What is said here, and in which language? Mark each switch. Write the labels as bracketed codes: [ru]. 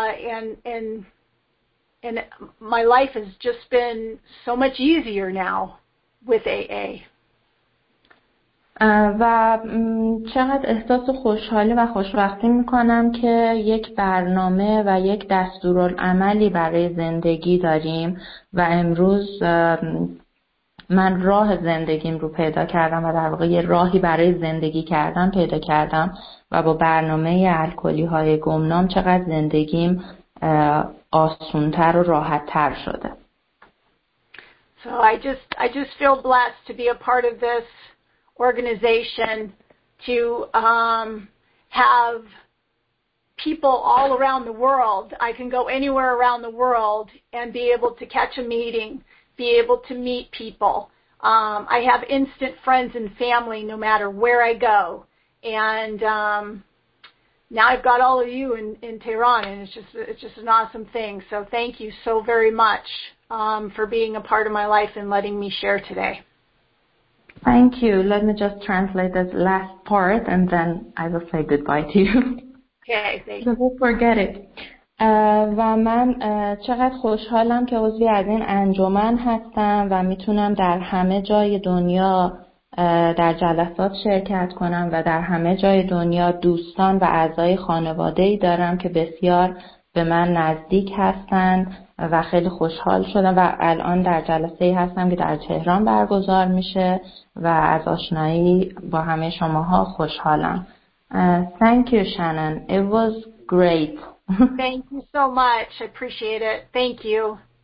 [en] And my life has just been so much easier now with AA. [fa] و چقدر احساس خوشحالی و خوشبختی میکنم که یک برنامه و یک دستورالعملی برای زندگی داریم و امروز من راه زندگیم رو پیدا کردم و در واقع یه راهی برای زندگی کردم پیدا کردم و با برنامه الکلی های گمنام چقدر زندگیم آسونتر و راحتتر شده. [en] So I just feel blessed to be a part of this organization, to have people all around the world. I can go anywhere around the world and be able to catch a meeting, be able to meet people. I have instant friends and family no matter where I go. And now I've got all of you in Tehran, and it's just an awesome thing. So thank you so very much for being a part of my life and letting me share today. Thank you. Let me just translate this last part and then I will say goodbye to you. Okay, thank you. Don't forget it. [fa] و من چقدر خوشحالم که عضوی از این انجمن هستم و میتونم در همه جای دنیا در جلسات شرکت کنم و در همه جای دنیا دوستان و اعضای خانواده‌ای دارم که بسیار به من نزدیک هستن و خیلی خوشحال شدم و الان در جلسه ای هستم که در تهران برگزار میشه و از آشنایی با همه شماها خوشحالم. [en] Thank you, Shannon. It was great. Thank you so much. I appreciate it. Thank you.